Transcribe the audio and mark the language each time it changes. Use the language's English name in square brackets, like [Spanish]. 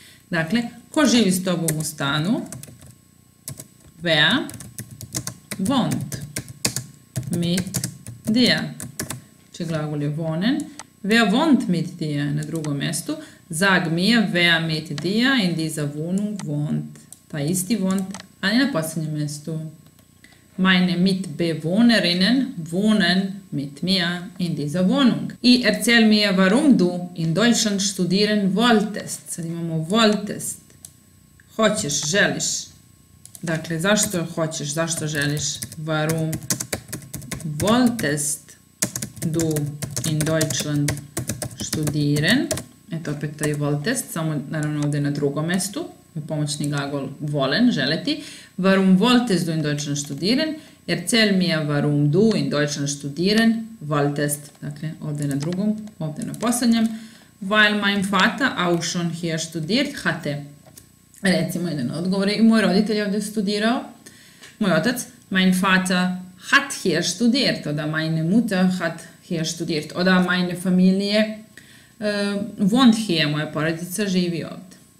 [Bosnian] Dakle, ko živi s tobom u stanu? [German] Wer wohnt mit dir? [Bosnian] Če glagol je wohnen. [German] Wer wohnt mit dir? [Bosnian] Na drugom mjestu. [German] Sag mir, wer mit dir in dieser Wohnung wohnt. [Bosnian] Ta isti wohnt, ali na posljednjem mjestu. [German] Meine Mitbewohnerinnen wohnen mit mir in dieser Wohnung. I erzähl mir, warum du in Deutschland studieren wolltest. [Bosnian] Sad imamo wolltest. Hoćeš, želiš. Dakle, zašto hoćeš, zašto želiš? [German] Warum wolltest du in Deutschland studieren? [Bosnian] Eto opet taj wolltest, samo naravno ovdje na drugom mjestu, u pomoćni glagol wollen, želeti. [German] Warum wolltest du in Deutschland studieren? Erzähl mir, warum du in Deutschland studieren wolltest. [Bosnian] Dakle, ovdje na drugom, ovdje na posljednjem. [German] Weil mein Vater auch schon hier studiert hatte. [Bosnian] Recimo jedan odgovor, i moj roditelj je ovdje studirao, moj otac. [German] Mein Vater hat hier studiert, oder meine Mutter hat hier studiert, oder meine Familie wohnt hier, [Bosnian] moja porodica živi ovdje.